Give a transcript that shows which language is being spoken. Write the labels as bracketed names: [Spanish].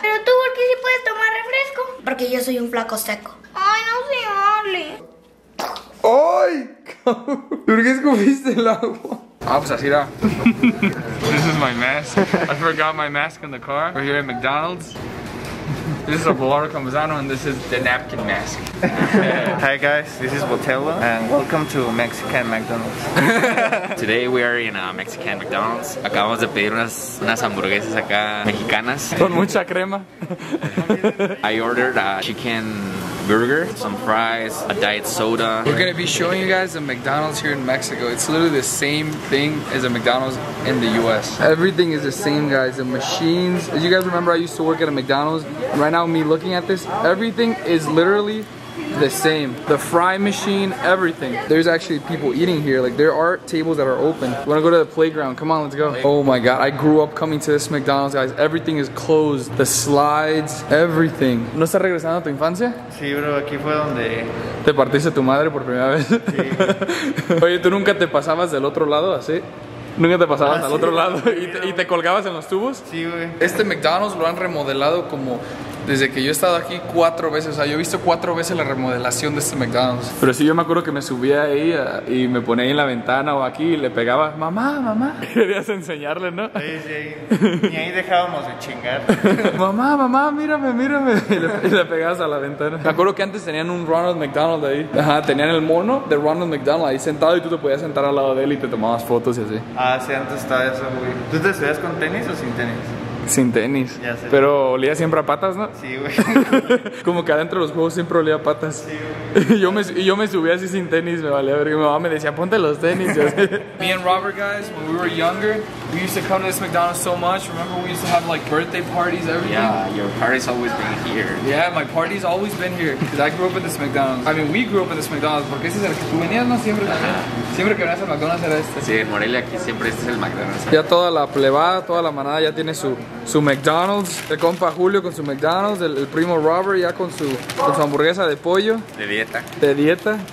[Spanish] ¿Pero tú por qué sí puedes tomar refresco? Porque yo soy un flaco seco. ¡Ay, no se vale! ¡Ay! ¿Por qué escupiste el agua? Ah, pues así era. [English] This is my mask. I forgot my mask in the car. We're here at McDonald's. This is a Bolaro Camusano and this is the napkin mask. Hi guys, this is Botella and welcome to Mexican McDonald's. Today we are in a Mexican McDonald's. [Spanish] Acabamos de pedir unas hamburguesas acá mexicanas. Con mucha crema. [English] I ordered a chicken burger, some fries, a diet soda. We're gonna be showing you guys a McDonald's here in Mexico. It's literally the same thing as a McDonald's in the US. Everything is the same, guys. The machines. As you guys remember, I used to work at a McDonald's. Right now, me looking at this, everything is literally the same. The fry machine, everything. There's actually people eating here. Like, there are tables that are open. You wanna go to the playground? Come on, let's go. Oh my god, I grew up coming to this McDonald's, guys. Everything is closed. The slides, everything. [Spanish] ¿No estás regresando a tu infancia? Sí, bro, aquí fue donde... ¿Te partiste tu madre por primera vez? Sí. Oye, ¿tú nunca te pasabas del otro lado así? ¿Nunca te pasabas al otro lado y te colgabas en los tubos? Sí, güey. Este McDonald's lo han remodelado como... Desde que yo he estado aquí 4 veces, o sea, yo he visto 4 veces la remodelación de este McDonald's. Pero sí, yo me acuerdo que me subía ahí y me ponía ahí en la ventana o aquí y le pegaba, mamá. Querías enseñarle, ¿no? Sí, sí. Y ahí dejábamos de chingar. mamá, mírame. Y le pegabas a la ventana. Me acuerdo que antes tenían un Ronald McDonald ahí. Ajá, tenían el mono de Ronald McDonald ahí sentado y tú te podías sentar al lado de él y te tomabas fotos y así. Ah, sí, antes estaba eso, güey. ¿Tú te subías con tenis o sin tenis? Sin tenis, ya sé. Pero olía siempre a patas, ¿no? Sí, güey. Como que adentro de los juegos siempre olía a patas. Sí, güey. Y yo me subí así sin tenis, me valía ver que mi mamá me decía, ponte los tenis. [English] Me and Robert, guys, when we were younger, we used to come to this McDonald's so much. Remember we used to have like birthday parties, everything? Yeah, your party's always been here. Yeah, my party's always been here, because I grew up in this McDonald's. I mean, we grew up in this McDonald's, [Spanish] porque ese es el que tú venías, ¿no? Siempre, siempre que venías al McDonald's era este. Sí, en Morelia aquí siempre este es el McDonald's. Ya toda la plebada, toda la manada ya tiene su McDonald's, el compa Julio con su McDonald's, el primo Robert ya con su hamburguesa de pollo. De dieta,